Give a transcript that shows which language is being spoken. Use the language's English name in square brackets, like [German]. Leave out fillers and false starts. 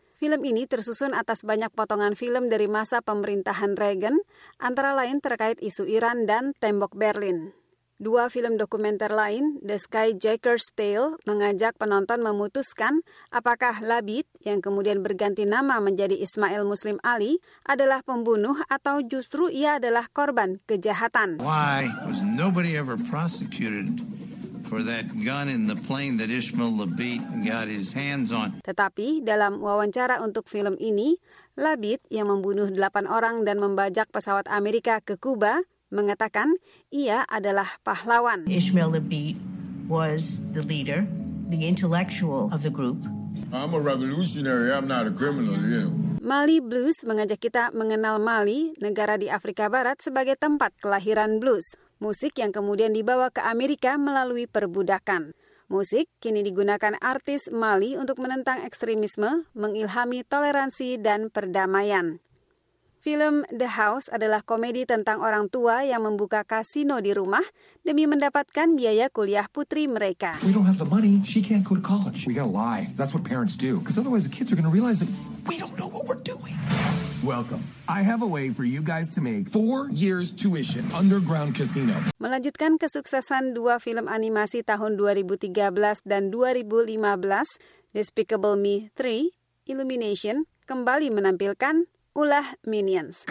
[Indonesian] Film ini tersusun atas banyak potongan film dari masa pemerintahan Reagan, antara lain terkait isu Iran dan Tembok Berlin. Dua film dokumenter lain, The Skyjacker's Tale, mengajak penonton memutuskan apakah Labid, yang kemudian berganti nama menjadi Ismail Muslim Ali, adalah pembunuh atau justru ia adalah korban kejahatan. [English] Why was nobody ever prosecuted for that gun in the plane that Ismail Labid got his hands on? [Indonesian] Tetapi dalam wawancara untuk film ini, Labid yang membunuh 8 orang dan membajak pesawat Amerika ke Kuba, mengatakan ia adalah pahlawan. [English] Ismail Labid was the leader, the intellectual of the group. I'm a revolutionary, I'm not a criminal, you know. [Indonesian] Mali Blues mengajak kita mengenal Mali, negara di Afrika Barat, sebagai tempat kelahiran blues, musik yang kemudian dibawa ke Amerika melalui perbudakan. Musik kini digunakan artis Mali untuk menentang ekstremisme, mengilhami toleransi dan perdamaian. Film The House adalah komedi tentang orang tua yang membuka kasino di rumah demi mendapatkan biaya kuliah putri mereka. [English] We don't have the money. She can't go to college. We gotta lie. That's what parents do. Because otherwise the kids are gonna realize that we don't know what we're doing. Welcome. I have a way for you guys to make 4 years tuition underground casino. [Indonesian] Melanjutkan kesuksesan dua film animasi tahun 2013 dan 2015, Despicable Me 3, Illumination, kembali menampilkan ulah Minions.